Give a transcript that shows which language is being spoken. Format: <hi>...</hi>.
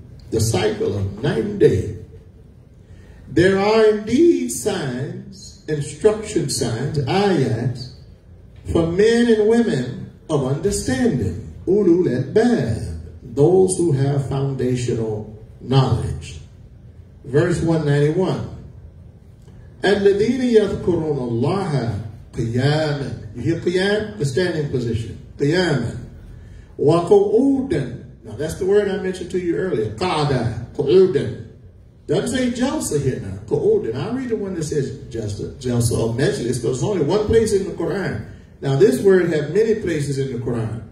<en>The cycle of night and day. There are indeed signs, instruction signs, ayats, for men and women of understanding. Ulul albab, those who have foundational knowledge. Verse 191.</en> <ar>الذين يذكرون الله قياما.</ar> <en>You hear qiyam? The standing position. Qiyama. وَقُعُودًا. Now that's the word I mentioned to you earlier. Qa'da. Qu'udan. Doesn't say jalsa here now. Qu'udan. I read the one that says jalsa or majlis, because there's only one place in the Quran. Now this word has many places in the Quran.</en>